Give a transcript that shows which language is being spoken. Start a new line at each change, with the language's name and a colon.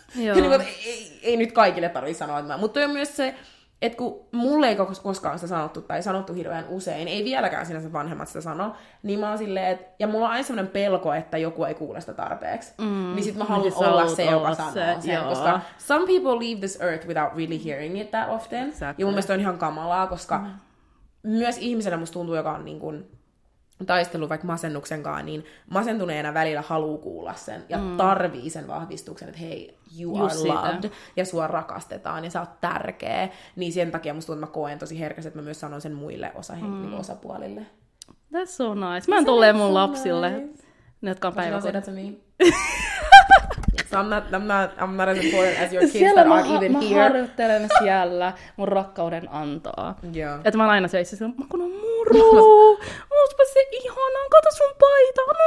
Finnish: Ja niinku, ei nyt kaikille tarvii sanoa, että mä. Mut toi on myös se, että kun mulle ei koskaan sitä sanottu tai sanottu hirveän usein, ei vieläkään sinänsä vanhemmat sitä sano, niin mä oon silleen, että ja mulla on aina semmoinen pelko, että joku ei kuule sitä tarpeeksi. Mm. Niin sit mä haluan olla se, joka sanoo sen. Koska
English: some people leave this earth without really hearing it that often. Exactly.
Finnish: Ja mun mielestä on ihan kamalaa, koska myös ihmisenä musta tuntuu, joka on niin kuin taistellut vaikka masennuksen kanssa, niin masentuneena välillä haluaa kuulla sen ja tarvii sen vahvistuksen, että hei,
English: you are just loved,
Finnish: sitä. Ja sua rakastetaan, ja sä oot tärkeä. Niin sen takia musta tuntuu, että mä koen tosi herkästi, että mä myös sanon sen muille osapuolille.
English: That's so nice.
Finnish: Mä en tolleen mun lapsille, ne, jotka on päiväkodissa.
English: That's me. So I'm not as important as your kids
Finnish: siellä
English: that aren't even here.
Finnish: Mä harjoittelen siellä mun rakkauden antaa.
English: Yeah.
Finnish: Että mä oon aina söissä silloin, mä kun on muru, ootpa se ihana, kato sun paita.